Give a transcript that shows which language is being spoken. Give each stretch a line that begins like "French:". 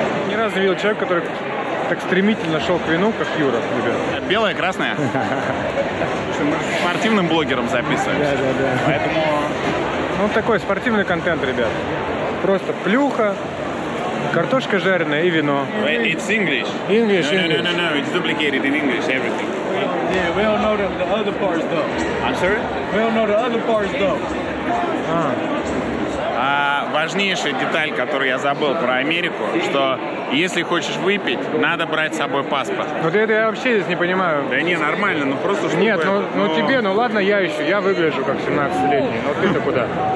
Russian: Ни разу не видел человека, который так стремительно шел к вину, как Юра, ребят. Белое, красное. Спортивным блогером записываемся. Да, да, да. Поэтому... Ну, такой спортивный контент, ребят. Просто плюха, картошка жареная и вино.
English: It's English. English, no, English. No, it's duplicated in English, everything. Yeah, we all know the other parts, though. I'm sorry? We all know the other parts, though.
Russian: Важнейшая деталь, которую я забыл про Америку, что если хочешь выпить, надо брать с собой паспорт. Вот это я вообще здесь не понимаю. Да не, нормально, ну просто чтобы... Нет, ну тебе, ну ладно, я еще, я выгляжу как 17-летний, но ты-то куда?